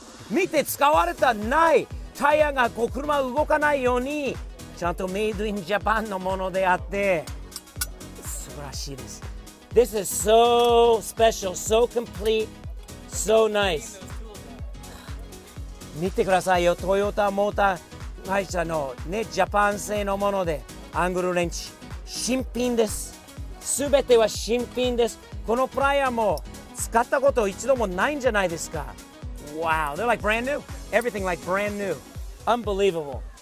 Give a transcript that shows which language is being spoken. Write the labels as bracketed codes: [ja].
[ja] 見て使われたないタイヤがこう車動かないようにちゃんとメイドインジャパンのものであって素晴らしいです。 [en] This is so special, so complete, so nice. [ja] 見てくださいよ、トヨタモーター会社のね、ジャパン製のもので、アングルレンチ、新品です。すべては新品です。このプライヤーも使ったこと一度もないんじゃないですか。 [en] Wow, they're like brand new. Everything like brand new. Unbelievable.